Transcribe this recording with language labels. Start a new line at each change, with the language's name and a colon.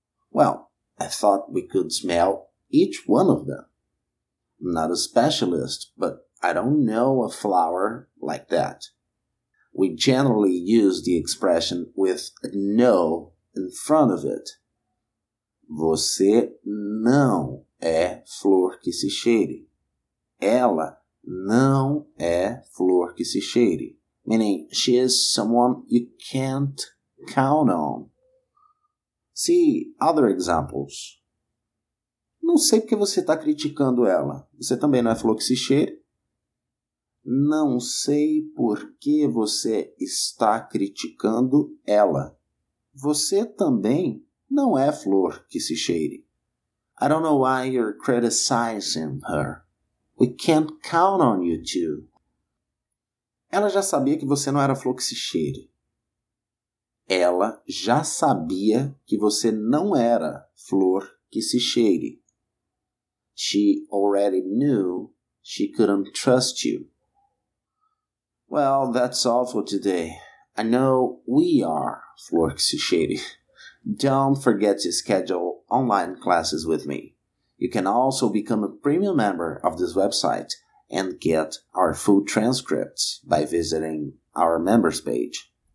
English: Well, I thought we could smell each one of them. I'm not a specialist, but I don't know a flower like that. We generally use the expression with a no in front of it.
Portuguese: Você não é flor que se cheire. Ela não é flor que se cheire.
English: Meaning, she is someone you can't count on. See other examples.
Portuguese: Não sei porque você está criticando ela. Você também não é flor que se cheire? Não sei por que você está criticando ela. Você também não é flor que se cheire.
English: I don't know why you're criticizing her. We can't count on you two.
Portuguese: Ela já sabia que você não era flor que se cheire. Ela já sabia que você não era flor que se cheire.
English: She already knew she couldn't trust you. Well, that's all for today. I know we are
Portuguese: flor que se cheire.
English: Don't forget to schedule online classes with me. You can also become a premium member of this website and get our full transcripts by visiting our members page.